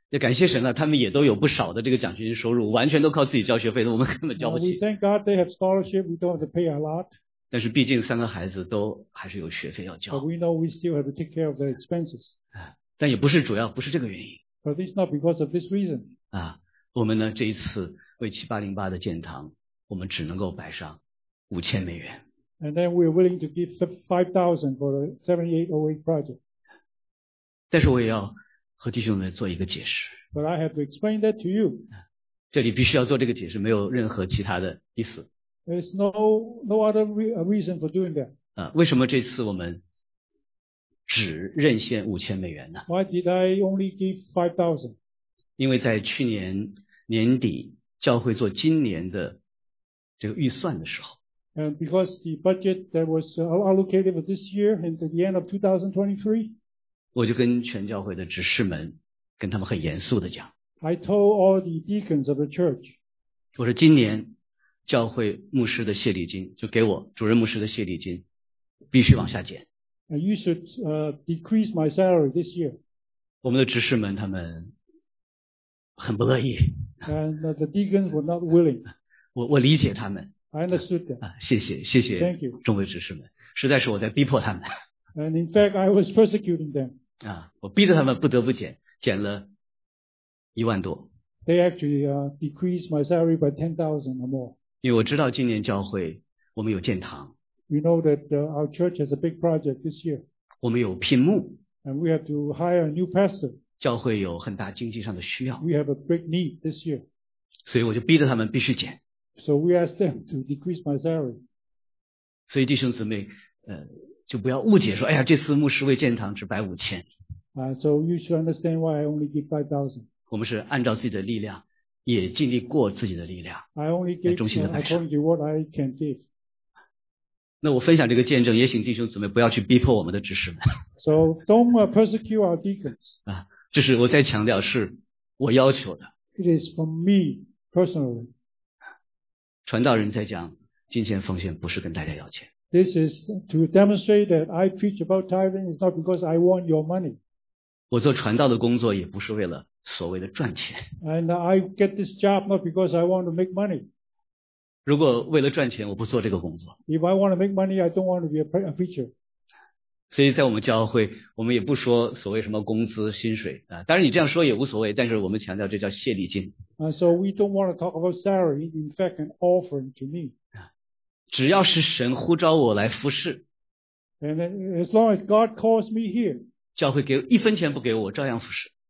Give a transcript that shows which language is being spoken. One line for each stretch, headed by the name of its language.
Chinese: 也感谢神了，他们也都有不少的这个奖学金收入，完全都靠自己交学费的，我们根本交不起。
English: We thank God they have scholarship, we don't have to pay a lot.
Chinese: 但是毕竟三个孩子都还是有学费要交。
English: But we know we still have to take care of their expenses.
Chinese: 但也不是主要，不是这个原因。
English: But it's not because of this reason.
Chinese: 我们呢这一次为7808的建堂，我们只能够摆上$5,000。
English: And then we're willing to give $5,000 for the 7808 project.
Chinese: 但是我也要和弟兄们做一个解释。
English: But I have to explain that to you.
Chinese: 这里必须要做这个解释，没有任何其他的意思。
English: There's no other reason for doing that.
Chinese: 为什么这次我们只任献$5,000呢？
English: Why did I only give $5,000?
Chinese: 因为在去年年底教会做今年的这个预算的时候。
English: And because the budget that was allocated for this year and at the end of 2023,
Chinese: 我就跟全教会的执事们跟他们很严肃地讲。
English: I told all the deacons of the church,
Chinese: 我说今年教会牧师的谢礼金就给我主任牧师的谢礼金必须往下减。
English: And you should decrease my salary this year.
Chinese: 我们的执事们他们很不乐意。
English: And the deacons were not willing.
Chinese: 我理解他们。
English: I understood that.
Chinese: 谢谢众位执事们，实在是我在逼迫他们。
English: And in fact, I was persecuting them.
Chinese: 我逼着他们不得不减了10,000+。
English: They actually decreased my salary by 10,000 or more.
Chinese: 因为我知道今年教会我们有建堂。
English: You know that our church has a big project this year.
Chinese: 我们有聘牧。
English: And we have to hire a new pastor.
Chinese: 教会有很大经济上的需要。
English: We have a big need this year.
Chinese: 所以我就逼着他们必须减。
English: So we ask them to decrease my salary.
Chinese: 所以弟兄姊妹，就不要误解说，哎呀，这次牧师为建堂只摆5,000。
English: So you should understand why I only give 5,000.
Chinese: 我们是按照自己的力量，也尽力过自己的力量。
English: I only give according to what I can give.
Chinese: 那我分享这个见证，也请弟兄姊妹不要去逼迫我们的执事们。
English: So don't persecute our deacons.
Chinese: 这是我在强调，是我要求的。
English: It is for me personally.
Chinese: 传道人在讲金钱奉献不是跟大家要钱。
English: This is to demonstrate that I preach about tithing is not because I want your money.
Chinese: 我做传道的工作也不是为了所谓的赚钱。
English: And I get this job not because I want to make money.
Chinese: 如果为了赚钱我不做这个工作。
English: If I want to make money, I don't want to be a preacher.
Chinese: 所以在我们教会我们也不说所谓什么工资薪水。当然你这样说也无所谓，但是我们强调这叫谢礼金。
English: So we don't want to talk about salary, in fact, an offering to me.
Chinese: 只要是神呼召我来服侍。
English: And as long as God calls me here.
Chinese: 教会给一分钱不给我，照样服侍。